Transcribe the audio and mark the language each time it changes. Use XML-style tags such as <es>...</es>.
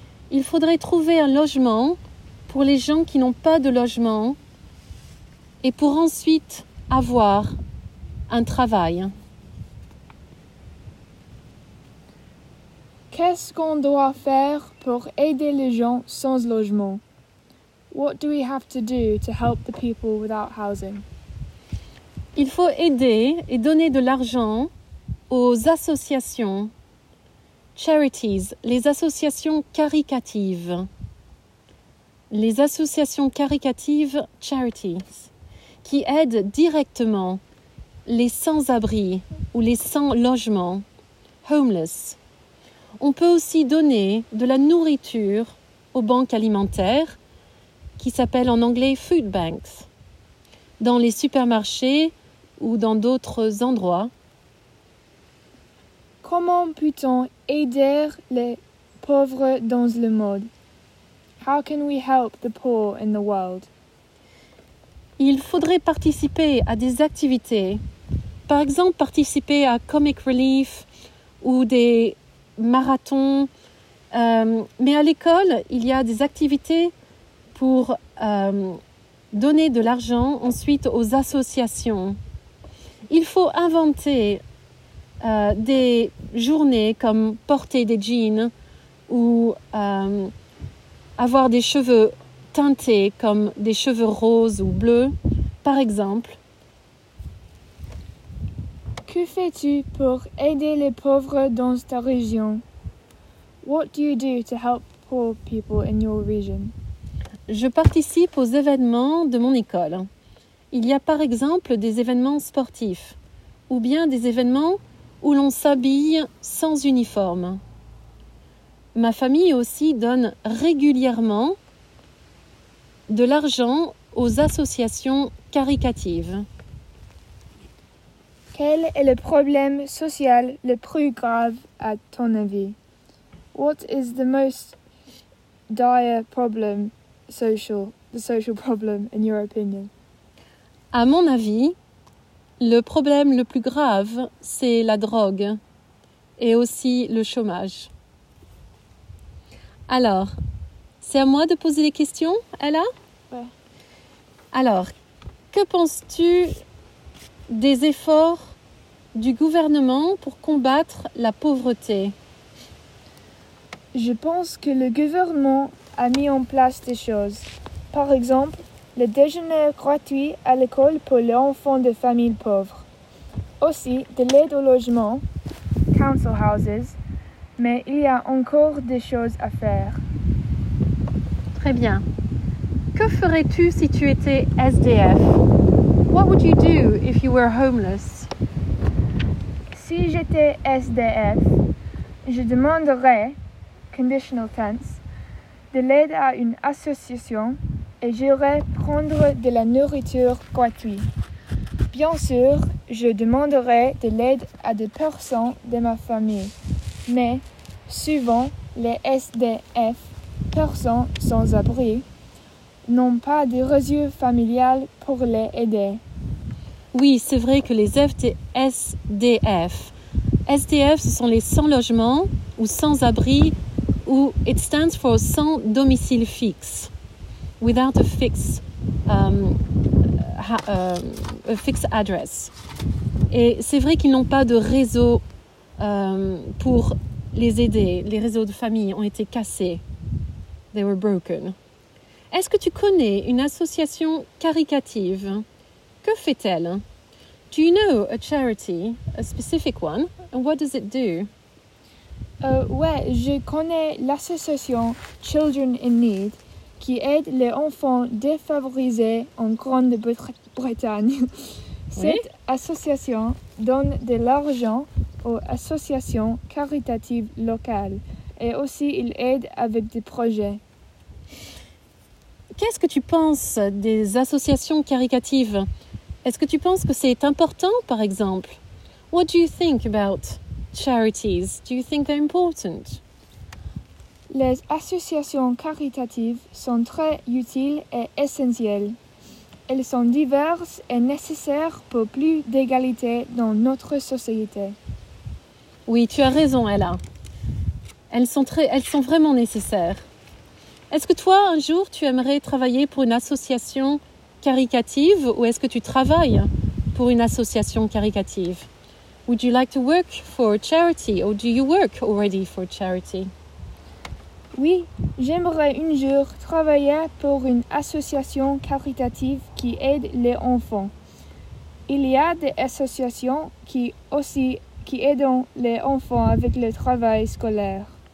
<fr>Il faudrait trouver un logement pour les gens qui n'ont pas de logement et pour ensuite avoir un travail. Qu'est-ce qu'on doit faire pour aider les gens sans logement?</fr> <en>What do we have to do to help the people without housing?</en> <fr>Il faut aider et donner de l'argent aux associations, charities, les associations caritatives. Les associations caritatives, charities, qui aident directement les sans-abri ou les sans-logement, homeless. On peut aussi donner de la nourriture aux banques alimentaires, qui s'appellent en anglais food banks, dans les supermarchés ou dans d'autres endroits. Comment peut-on aider les pauvres dans le monde?</fr> <en>How can we help the poor in the world?</en> <fr>Il faudrait participer à des activités, par exemple participer à Comic Relief ou des marathon, mais à l'école, il y a des activités pour donner de l'argent ensuite aux associations. Il faut inventer des journées comme porter des jeans ou avoir des cheveux teintés comme des cheveux roses ou bleus, par exemple. Que fais-tu pour aider les pauvres dans ta région?</fr> <en>What do you do to help poor people in your region?</en> <fr>Je participe aux événements de mon école. Il y a par exemple des événements sportifs ou bien des événements où l'on s'habille sans uniforme. Ma famille aussi donne régulièrement de l'argent aux associations caritatives. Quel est le problème social le plus grave à ton avis?</fr> <en>What is the most dire problem social, the social problem in your opinion?</en> <fr>À mon avis, le problème le plus grave, c'est la drogue et aussi le chômage. Alors, c'est à moi de poser les questions, Ella? Ouais. Alors, que penses-tu des efforts du gouvernement pour combattre la pauvreté? Je pense que le gouvernement a mis en place des choses. Par exemple, le déjeuner gratuit à l'école pour les enfants de familles pauvres. Aussi, de l'aide au logement, council houses, mais il y a encore des choses à faire. Très bien. Que ferais-tu si tu étais SDF?</fr> <en>What would you do if you were homeless?</en> <fr>Si j'étais SDF, je demanderais, conditional tense, de l'aide à une association et j'irai prendre de la nourriture gratuite. Bien sûr, je demanderai de l'aide à des personnes de ma famille, mais souvent, les SDF, personnes sans abri, n'ont pas de réseau familial pour les aider. Oui, c'est vrai que les SDF, SDF, ce sont les sans logement ou sans abri, ou</fr> <en>it stands for</en> <fr>sans domicile fixe.</fr> <en>Without a fixed address.</en> <fr>Et c'est vrai qu'ils n'ont pas de réseau pour les aider. Les réseaux de famille ont été cassés.</fr> <en>They were broken.</en> <fr>Est-ce que tu connais une association caritative? Que fait-elle?</fr> <en>Do you know a charity, a specific one, and what does it do?</en> <fr>Ouais, je connais l'association Children in Need, qui aide les enfants défavorisés en Grande-Bretagne. Cette association donne de l'argent aux associations caritatives locales et aussi ils aident avec des projets. Qu'est-ce que tu penses des associations caritatives? Est-ce que tu penses que c'est important, par exemple?</fr> <en>What do you think about charities? Do you think they're important?</en> <fr>Les associations caritatives sont très utiles et essentielles. Elles sont diverses et nécessaires pour plus d'égalité dans notre société. Oui, tu as raison, Ella. Elles sont vraiment nécessaires. Est-ce que toi, un jour, tu aimerais travailler pour une association caritative ou est-ce que tu travailles pour une association caritative?</fr> <en>Would you like to work for a charity or do you work already for a charity?</en> <fr>Oui, j'aimerais un jour travailler pour une association caritative qui aide les enfants. Il y a des associations qui aident les enfants avec le travail scolaire.</fr>